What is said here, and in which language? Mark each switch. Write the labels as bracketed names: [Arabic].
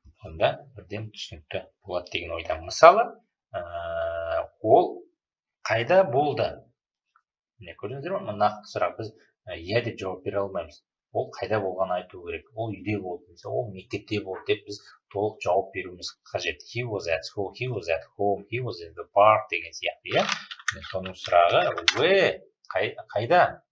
[Kazakh] Онда бірден түсінікті болады деген ойдамын. Мысалы, ол қайда болды? Міне, көрдіңіздер ма? Нақты сұрақ, біз иә деп жауап бере алмаймыз. Ол қайда болғанын айту керек. Ол үйде болды, ол мектепте болды деп біз толық жауап беруіміз қажет. [English] He was at school, he was at home, he was in the park [Kazakh] деген сияқты, иә? Міне, соның сұрағы where, қайда?